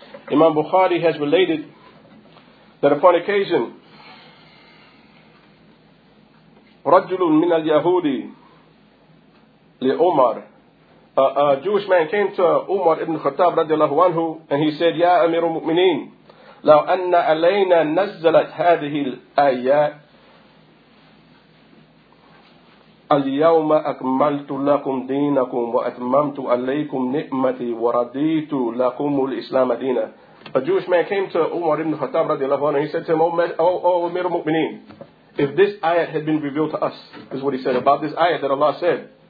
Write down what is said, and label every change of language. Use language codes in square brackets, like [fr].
[en] Imam Bukhari has related that upon occasion, [ar] رَجُلٌ مِنَ الْيَهُودِ لِأُمَرِ, [en] a Jewish man came to Umar ibn Khattab radiallahu anhu, and he said, "Ya Amir al-Mu'mineen, [ar] لَوْ أَنَّ عَلَيْنَا نَزَّلَتْ هَذِهِ الْآيَاتِ اليوم أكملت لكم دينكم وأتممت عليكم نعمتي ورديت لكم الإسلام دينا. [en] A Jewish man came to Umar ibn Khattab radiallahu anhu, and he said to him, O Amir al-Mu'mineen, if this ayat had been revealed to us, is what he said about this ayat that Allah said.